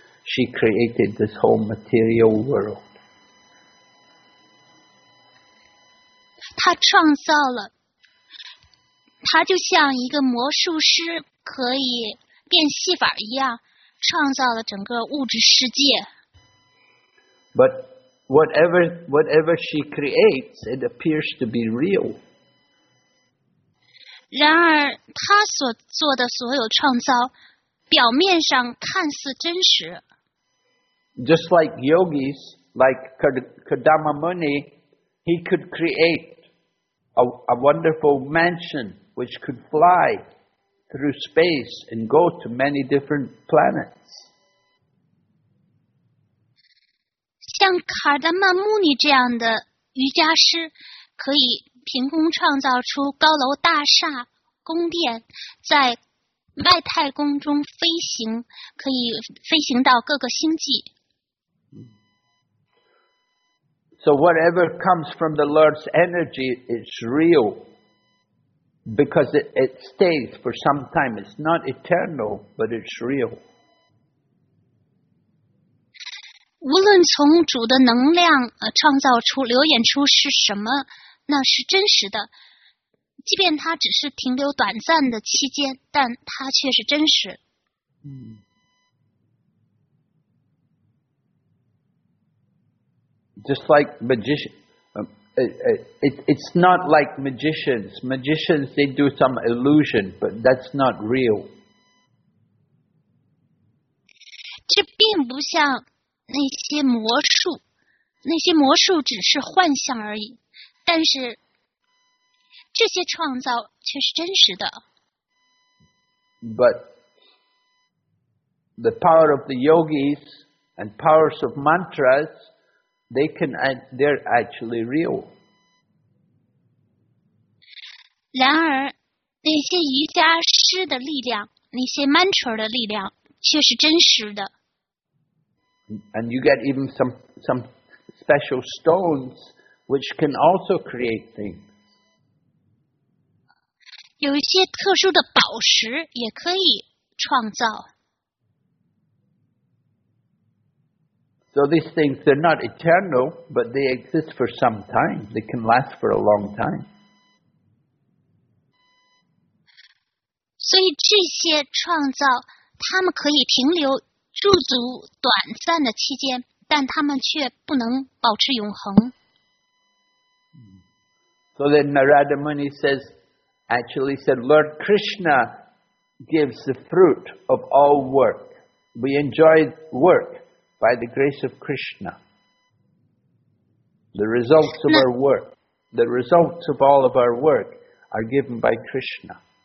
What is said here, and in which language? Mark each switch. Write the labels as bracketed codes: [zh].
[en] She created this whole material world. [zh] 她创造了，她就像一个魔术师可以变戏法一样，创造了整个物质世界。 [en] But,Whatever she creates, it appears to be real. [zh] 然而，她所做的所有创造，表面上看似真实。 [en] Just like yogis, like Kardama Muni, he could create a wonderful mansion which could fly through space and go to many different planets. [zh] 像卡达曼穆尼这样的瑜伽师，可以凭空创造出高楼大厦、宫殿，在外太空中飞行，可以飞行到各个星际。 [en] So whatever comes from the Lord's energy is real, because it stays for some time. It's not eternal, but it's real. [zh] 无论从主的能量创造出流演出是什么，那是真实的。即便它只是停留短暂的期间，但它却是真实。 [en] Just like magicians, it's not like magicians. Magicians they do some illusion, but that's not real. [zh] 这并不像。那些魔术，那些魔术只是幻象而已，但是这些创造却是真实的。 [en] But the power of the yogis and powers of mantras, they're actually real. [zh] 然而，那些瑜伽师的力量，那些 mantra 的力量却是真实的。 [en] And you get even some special stones which can also create things. [zh] 有一些特殊的宝石也可以创造。 [en] So these things, they're not eternal, but they exist for some time. They can last for a long time. [zh] 所以这些创造，它们可以停留驻足短暂的期间，但他们却不能保持永恒。 [en] So then Narada Muni said, Lord Krishna gives the fruit of all work. We enjoy work by the grace of Krishna. The results of all of our work are given by Krishna.